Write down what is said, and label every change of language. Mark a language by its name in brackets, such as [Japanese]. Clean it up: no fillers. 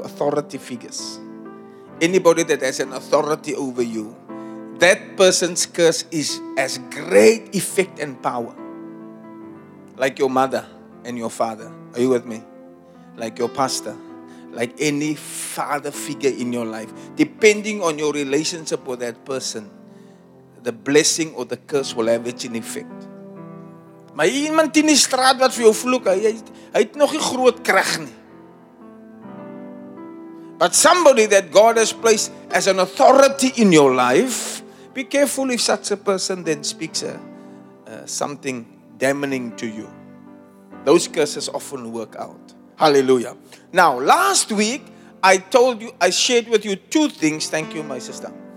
[English] Authority figures. Anybody that has an authority over you, that person's curse is as great effect and power. Like your mother and your father. Are you with me? Like your pastor. Like any father figure in your life. Depending on your relationship with that person, the blessing or the curse will have its effect. [Afrikaans] Maar iemand in die straat wat vir jou vloek, hy het nog nie groot krag nie. [English] But somebody that God has placed as an authority in your life, be careful if such a person then speaks something damning to you. Those curses often work out. Hallelujah. Now, last week, I shared with you two things. Thank you, my sister.